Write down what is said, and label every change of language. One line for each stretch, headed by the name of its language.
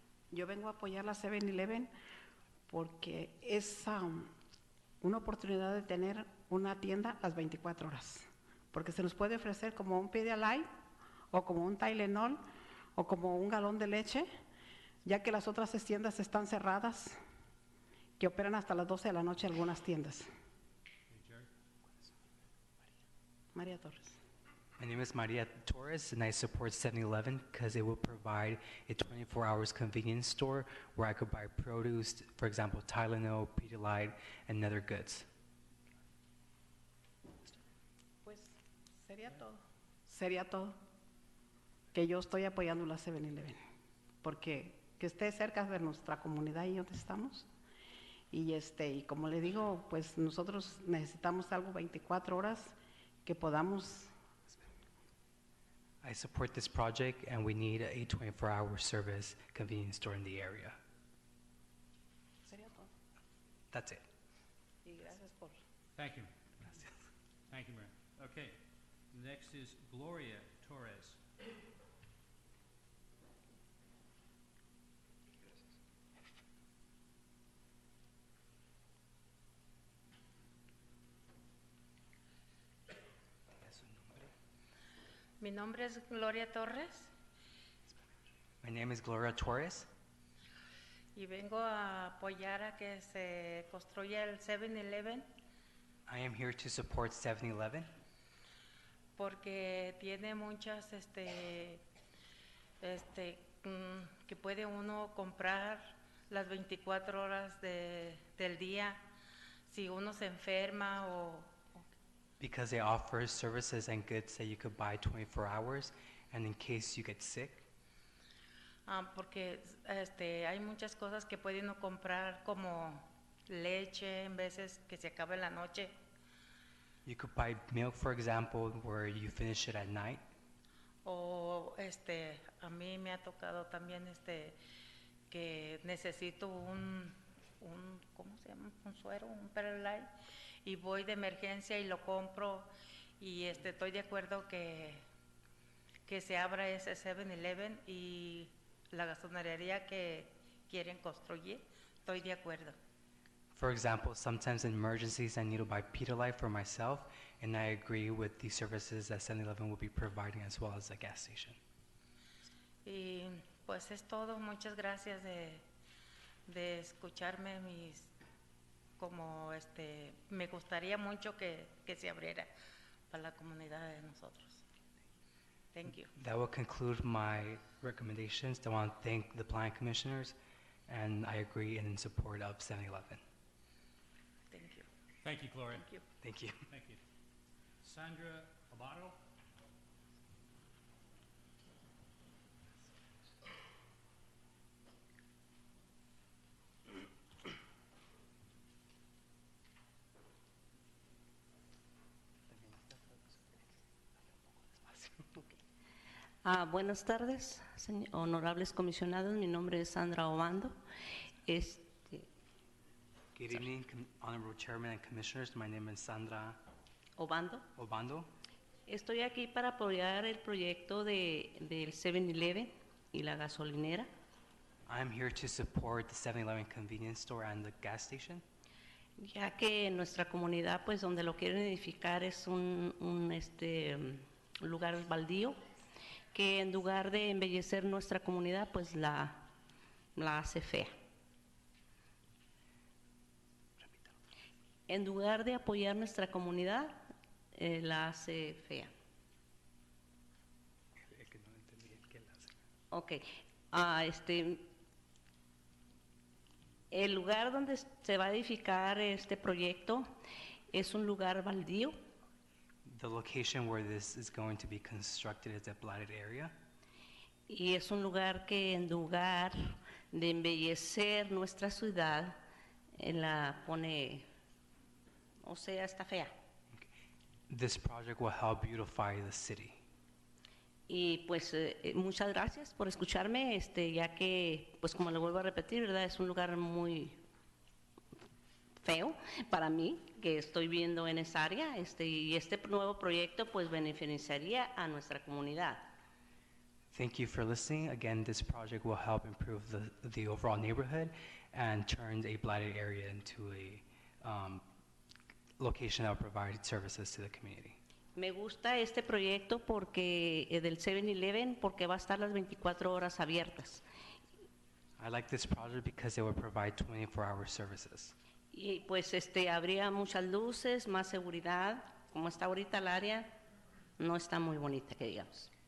Spanish: Yo vengo a apoyar la 7-Eleven porque es una oportunidad de tener una tienda las 24 horas. Porque se nos puede ofrecer como un Pedialyte o como un Tylenol o como un galón de leche, ya que las otras tiendas están cerradas, que operan hasta las 12 de la noche algunas tiendas. María Torres.
English: My name is Maria Torres, and I support 7-Eleven because it will provide a 24-hour convenience store where I could buy produce, for example, Tylenol, Pedialyte, and other goods.
Spanish: Pues, sería todo. Sería todo. que yo estoy apoyando la 7-Eleven, porque que esté cerca de nuestra comunidad y donde estamos. Y y como le digo, pues nosotros necesitamos algo 24 horas que podamos.
English: I support this project and we need a 24-hour service convenience store in the area.
Spanish: Sería todo.
English: That's it.
Spanish: Y gracias por.
English: Thank you.
Spanish: Gracias.
English: Thank you, Mary. Okay. Next is Gloria Torres.
Spanish: Mi nombre es Gloria Torres.
English: My name is Gloria Torres.
Spanish: Y vengo a apoyar a que se construya el 7-Eleven.
English: I am here to support 7-Eleven.
Spanish: Porque tiene muchas que puede uno comprar las 24 horas del día si uno se enferma o.
English: Because they offer services and goods that you could buy 24 hours, and in case you get sick.
Spanish: Porque hay muchas cosas que puede uno comprar como leche en veces que se acaba en la noche.
English: You could buy milk, for example, where you finish it at night.
Spanish: O a mí me ha tocado también que necesito un ¿cómo se llama? Un suero, un Perlite. Y voy de emergencia y lo compro y estoy de acuerdo que se abra ese 7-Eleven y la gasolinería que quieren construir, estoy de acuerdo.
English: For example, sometimes in emergencies I need to buy Pedialyte for myself and I agree with the services that 7-Eleven will be providing as well as the gas station.
Spanish: Y pues es todo, muchas gracias de escucharme mis como me gustaría mucho que se abriera para la comunidad de nosotros.
English: Thank you. That will conclude my recommendations. I want to thank the planning commissioners, and I agree in support of 7-Eleven. Thank you. Thank you, Gloria. Thank you. Thank you. Thank you. Sandra Abado.
Spanish: Buenas tardes, honorables comisionados. Mi nombre es Sandra Obando.
English: Good evening, honorable chairman and commissioners. My name is Sandra Obando.
Spanish: Estoy aquí para apoyar el proyecto del 7-Eleven y la gasolinera.
English: I'm here to support the 7-Eleven convenience store and the gas station.
Spanish: Ya que en nuestra comunidad, pues donde lo quieren edificar es un lugar baldío. Que en lugar de embellecer nuestra comunidad, pues la hace fea. En lugar de apoyar nuestra comunidad, la hace fea.
English: Okay.
Spanish: El lugar donde se va a edificar este proyecto es un lugar baldío.
English: The location where this is going to be constructed is a blighted area.
Spanish: Y es un lugar que en lugar de embellecer nuestra ciudad, la pone, o sea, está fea.
English: Okay. This project will help beautify the city.
Spanish: Y pues muchas gracias por escucharme, ya que, pues como lo vuelvo a repetir, ¿verdad? Es un lugar muy feo para mí que estoy viendo en esa área y este nuevo proyecto pues beneficiaría a nuestra comunidad.
English: Thank you for listening. Again, this project will help improve the overall neighborhood and turn a blighted area into a location that will provide services to the community.
Spanish: Me gusta este proyecto porque del 7-Eleven porque va a estar las 24 horas abiertas.
English: I like this project because it will provide 24-hour services.
Spanish: Y pues habría muchas luces, más seguridad. Como está ahorita el área, no está muy bonita, que digamos.